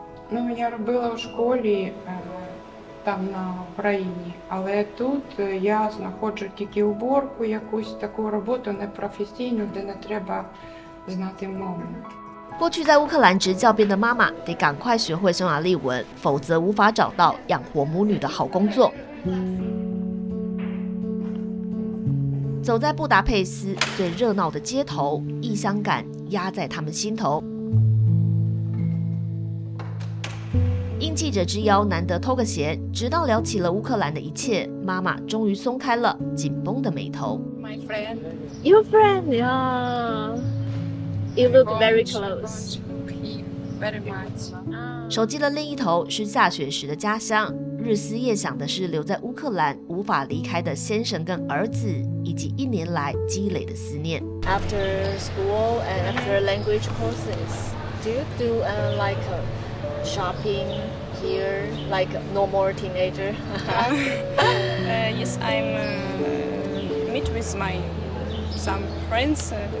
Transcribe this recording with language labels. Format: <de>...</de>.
<ru>Ну, я была в школе там на Украине,</ru> <uk>але тут я знаходжу тільки уборку, якусь таку роботу непрофесійну, де не треба знати мову.</uk> <zh>过去在乌克兰执教边的妈妈得赶快学会匈牙利文，否则无法找到养活母女的好工作。走在布达佩斯最热闹的街头，异乡感压在他们心头。应记者之邀，难得偷个闲，直到聊起了乌克兰的一切，妈妈终于松开了紧绷的眉头。</zh> <en>My friend, your friend, yeah. You look very close. Very much.</en> <zh>手机的另一头是下雪时的家乡，日思夜想的是留在乌克兰无法离开的先生跟儿子，以及一年来积累的思念。</zh> <en>After school and after language courses, do you like shopping here like normal teenager? yes, I'm meet with my some friends.</en>